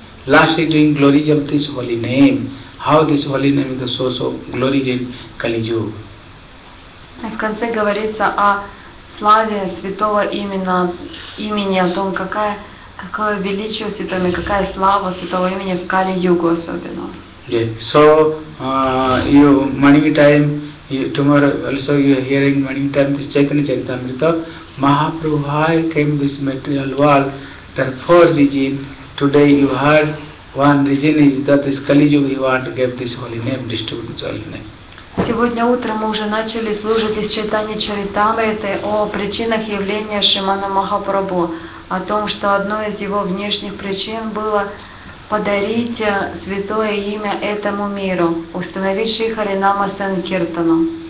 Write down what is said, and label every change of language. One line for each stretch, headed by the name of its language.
English: Last he doing glory of this holy name. How this holy name is the source of glory in Kali Yuga.
Russian: В конце говорится о славе святого имени, о том, какое величие святого имени, какая слава святого имени в Кали Югу особенно.
English: Yeah. So, you, many time, tomorrow also you are hearing many times this Chaitanya Charitamrita. Mahaprabhu, why came this material world? There are four regions. Today you heard one region is that this Kali Yuga, you want to give this holy name, distribute this holy name.
Russian: Сегодня утром мы уже начали служить из Чайтани Чаритамриты о причинах явления Шримана Махапрабху, о том, что одной из его внешних причин было подарите святое имя этому миру, установивший Харинама Санкиртану.